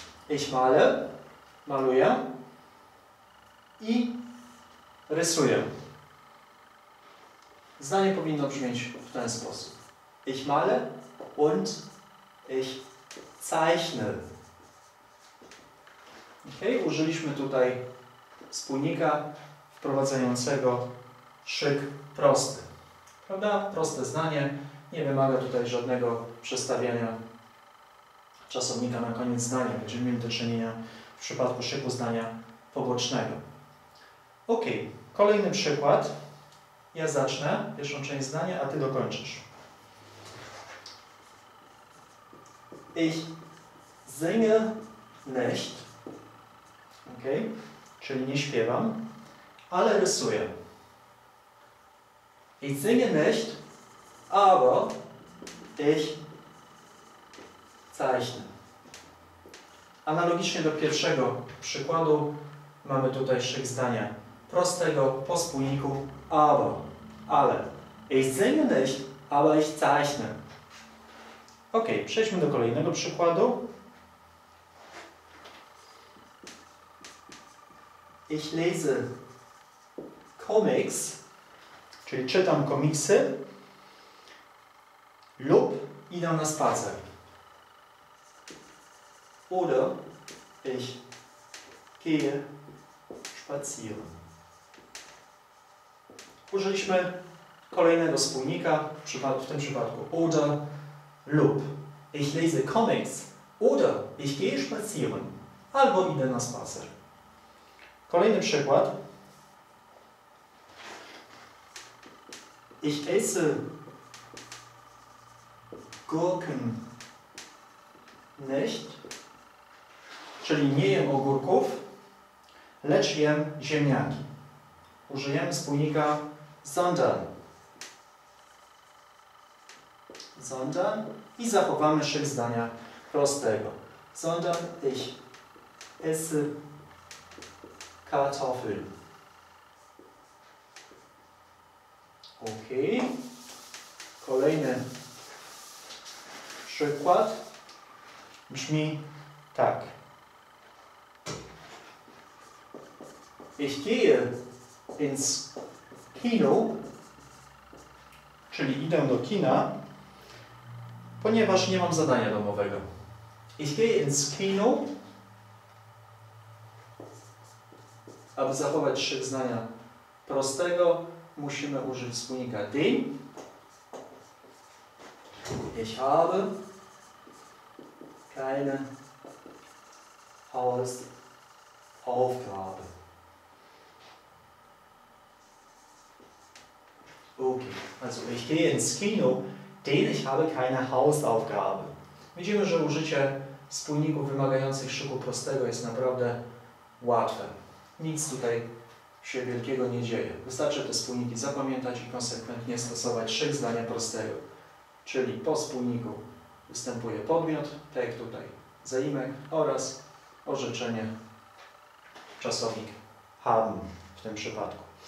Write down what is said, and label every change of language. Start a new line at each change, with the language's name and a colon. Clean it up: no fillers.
German: Ich male,
Polish: maluję i rysuję. Zdanie powinno brzmieć w ten sposób.
German: Ich male und ich zeichne.
Polish: Ok, użyliśmy tutaj spójnika wprowadzającego szyk prosty. Prawda? Proste zdanie. Nie wymaga tutaj żadnego przestawiania czasownika na koniec zdania. Będziemy mieli do czynienia w przypadku szyku zdania pobocznego. Ok. Kolejny przykład. Ja zacznę pierwszą część zdania, a Ty dokończysz.
German: Ich singe nicht. Ok.
Polish: Czyli nie śpiewam, ale rysuję.
German: Ich singe nicht, aber ich zeichne.
Polish: Analogicznie do pierwszego przykładu mamy tutaj szyk zdania prostego po spójniku aber. Ale.
German: Ich singe nicht, aber ich zeichne.
Polish: Ok, przejdźmy do kolejnego przykładu.
German: Ich lese Comics.
Polish: Czyli czytam komiksy lub idę na spacer.
German: Oder ich gehe spazieren.
Polish: Użyliśmy kolejnego spójnika, w tym przypadku oder lub.
German: Ich lese comics oder ich gehe spazieren.
Polish: Albo idę na spacer. Kolejny przykład.
German: Ich esse Gurken nicht,
Polish: czyli nie jem ogórków, lecz jem ziemniaki. Użyjemy spójnika
German: sondern.
Polish: Sondern i zachowamy szyk zdania prostego.
German: Sondern ich esse Kartoffeln.
Polish: Ok, kolejny przykład brzmi tak.
German: Ich gehe ins Kino,
Polish: czyli idę do kina, ponieważ nie mam zadania domowego.
German: Ich gehe ins Kino,
Polish: aby zachować szyk zdania prostego, musimy użyć spójnika den,
German: Ich habe keine Hausaufgabe. Okay, also ich gehe ins Kino, denn ich habe keine Hausaufgabe.
Polish: Widzimy, że użycie spójników wymagających szyku prostego jest naprawdę łatwe. Nic tutaj się wielkiego nie dzieje. Wystarczy te spójniki zapamiętać i konsekwentnie stosować szyk zdania prostego. Czyli po spójniku występuje podmiot, tak jak tutaj zaimek oraz orzeczenie, czasownik haben w tym przypadku.